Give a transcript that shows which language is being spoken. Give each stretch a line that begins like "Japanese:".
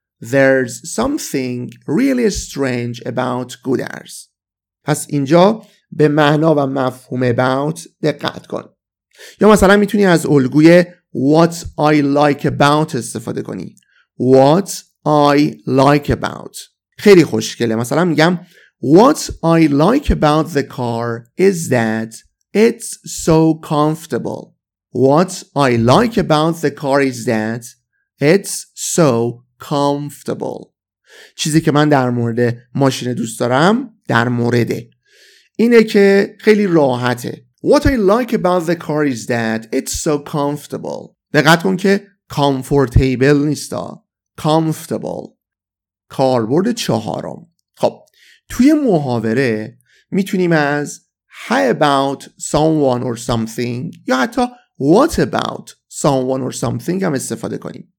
English: There's something really strange about Gooders.
Persian: پس اینجا به معنا و مفهوم about دقت کن. یا مثلا میتونی از الگوی
English: What I like about
Persian: استفاده کنی.
English: What I like about.
Persian: خیلی خوشگله. مثلا میگم
English: What I like about the car is that it's so comfortable. What I like about the car is that it's so comfortable.
Persian: چیزی که من در مورد ماشین دوست دارم در مورد اینه که خیلی راحته.
English: What I like about the car is that it's so comfortable.
Persian: دقت کن که comfortable نیستا. Comfortable. کاربرد چهارم. خب توی محاوره میتونیم از
English: How about someone or something
Persian: یا حتی
English: What about someone or something
Persian: هم استفاده کنیم.